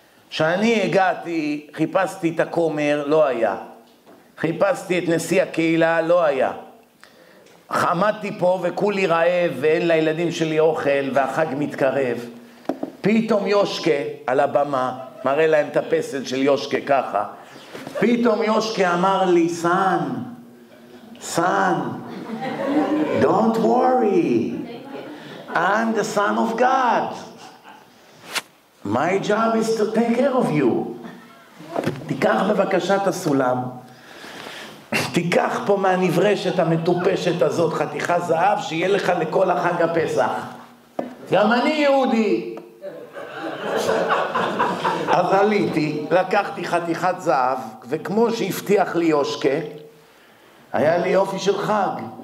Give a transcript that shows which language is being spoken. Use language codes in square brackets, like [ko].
[he] כשאני הגעתי, חיפשתי את הכומר, לא היה. חיפשתי את נשיא הקהילה, לא היה. חמדתי פה וכולי רעב ואין לילדים שלי אוכל והחג מתקרב. פתאום יושקה על הבמה, מראה להם את הפסל של יושקה ככה. פתאום יושקה אמר לי, [en] son, don't worry, I'm the son of God. My job is to take care of you. [he] תיקח בבקשה את הסולם. תיקח פה מהנברשת המטופשת הזאת חתיכה זהב שיהיה לך לכל החג הפסח. גם אני יהודי. אז עליתי, לקחתי חתיכת זהב, וכמו שהבטיח לי יושקה, היה לי יופי של חג.